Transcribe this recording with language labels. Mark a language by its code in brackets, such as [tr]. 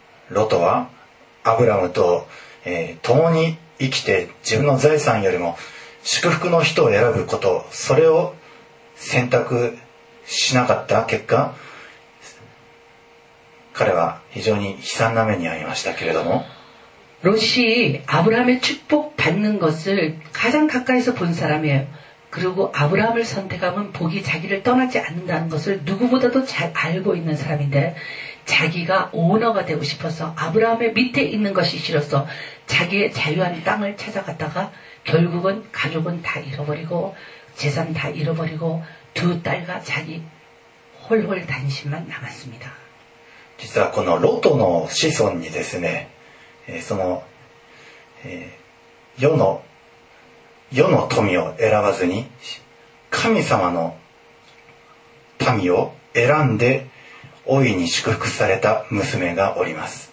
[ko] 로또와아브라함도동원이 [ja] 生きて自分の財産よりも祝福の人を選ぶことそれを選択しなかった結果彼は非常に悲惨な目に遭いましたけれども [ko] 롯이 아브라함의 축복 받는 것을 가장 가까이서 본 사람이에요 그리고 아브라함을 선택하면 복이 자기를 떠나지 않는다는 것을 누구보다도 잘 알고 있는 사람인데 자기가 오너가 되고 싶어서 아브라함의 밑에 있는 것이 싫어서 자기의 자유한 땅을 찾아갔다가 결국은 가족은 다 잃어버리고 재산 다 잃어버리고 두 딸과 자기 홀홀 단신만 남았습니다 [ja] 実はこのロトの子孫にですね、その、世の富を選ばずに神様の民を選んで大いに祝福された娘がおります。